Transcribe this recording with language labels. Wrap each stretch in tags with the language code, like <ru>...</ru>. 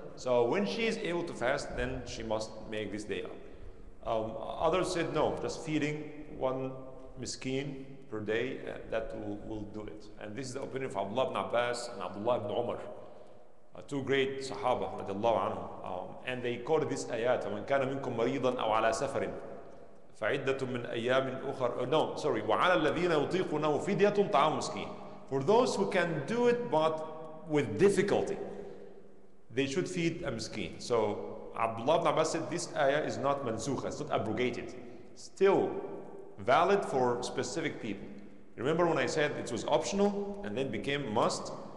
<en>So when she is able to fast, then she must make this day up. Others said no, just feeding one miskin per day, that will do it. And this is the opinion of Abdullah ibn Abbas and Abdullah ibn Umar, two great Sahaba, radiallahu anhum. And they quoted this ayat,</en> <ar>وَمَنْ كَانَ مِنْكُمْ مَرِيضًا أَوْ عَلَىٰ سَفَرٍ فَعِدَّةٌ مِنْ أَيَّامٍ أُخَرٍ</ar> <en>No, sorry.</en> <ar>وَعَلَى الَّذِينَ يُطِيقُونَهُ فِدْيَةٌ طَعَامُ مِسْكِينٍ</ar> <en>For those who can do it, but with difficulty, they should feed a miskin. So Abdullah ibn Abbas said, this ayah is not mansukha, it's not abrogated. Still valid for specific people. Remember when I said it was optional and then became must?</en>